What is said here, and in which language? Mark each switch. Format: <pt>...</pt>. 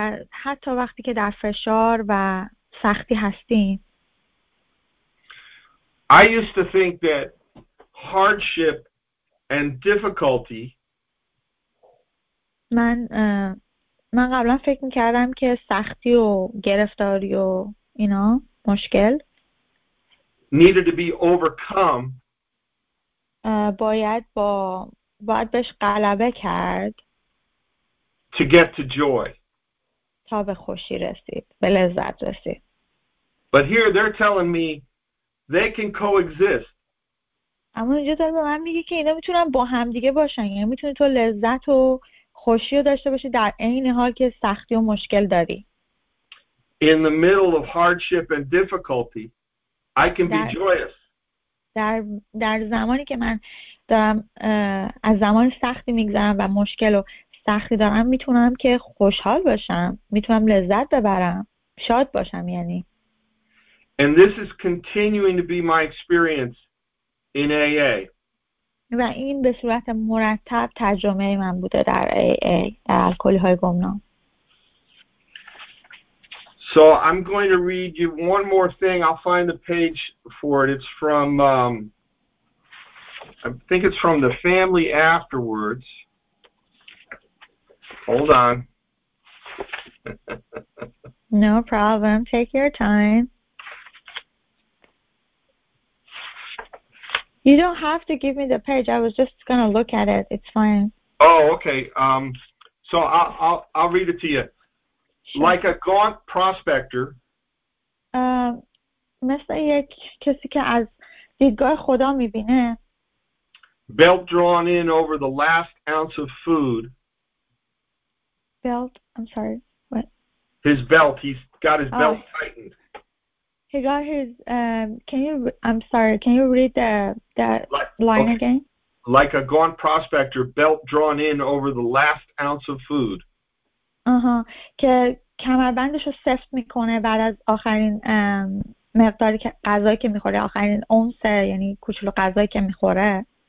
<fa>حتی وقتی که در فشار و سختی هستیم.</fa> <en>I used to think that hardship and difficulty.</en> <fa>من قبلا فکر می‌کردم که سختی و گرفتاری و اینا مشکل.</fa> <en>Needed to be overcome.</en> <fa>باید بهش غلبه کرد.</fa> <en>To get to joy.</en> <fa>تا به خوشی رسید. به لذت رسید.</fa> <en>But here they're telling me they can coexist.</en> <fa>اما اینجا داره به من میگه که اینا میتونن با هم دیگه باشن. یعنی میتونی تو لذت و خوشی رو داشته باشی در عین حال که سختی و مشکل داری.</fa> <en>In the middle of hardship and difficulty, I can be joyous.</en> <fa>در زمانی که من دارم از زمان سختی میگذرم و مشکل و سختی دارم میتونم که خوشحال باشم، میتونم لذت ببرم، شاد باشم یعنی.</fa> <en>And this is continuing to be my experience in AA.</en> <fa>و این به صورت مرتب تجربه من بوده در AA، در الکلی‌های گمنام.</fa> <en>So I'm going to read you one more thing. I'll find the page for it. It's from I think it's from the family afterwards. Hold on. No problem. Take your time. You don't have to give me the page. I was just going to look at it. It's fine. Oh, okay. So I'll read it to you. Sure. Like a gaunt prospector.</en> <fa>مثل یک کسی که از دیدگاه خدا می‌بینه.</fa> <en>Belt drawn in over the last ounce of food. Belt? I'm sorry. What? His belt. He's got his belt tightened. He got his. Can you read that line again? Like a gaunt prospector, belt drawn in over the last ounce of food.</en> <fa>که کمربندش رو سفت میکنه بعد از آخرین مقداری غذایی که میخوره، آخرین اونسه یعنی کوچولو غذایی که میخوره.</fa>